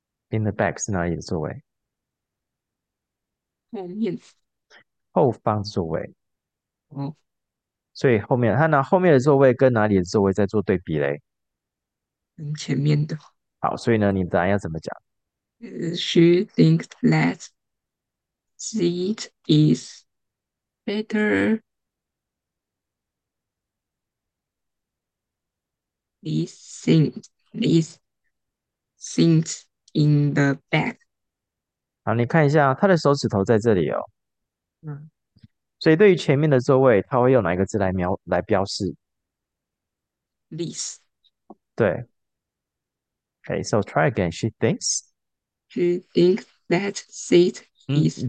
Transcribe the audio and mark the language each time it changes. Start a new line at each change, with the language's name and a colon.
English: In the back
Chinese: 是哪里的座位？后面，后方座位。哦，所以后面，他拿后面的座位跟哪里的座位在做对比嘞？嗯，前面的，好，所以呢，你的答案要怎么讲？
English: She thinks that seat is better this seat in the back.
Chinese: 好，你看一下，他的手指头在这里哦。所以，对于前面的座位，他会用哪一个字来标示？
English: Please. 对。Okay, so try again. She thinks. She thinks that seat is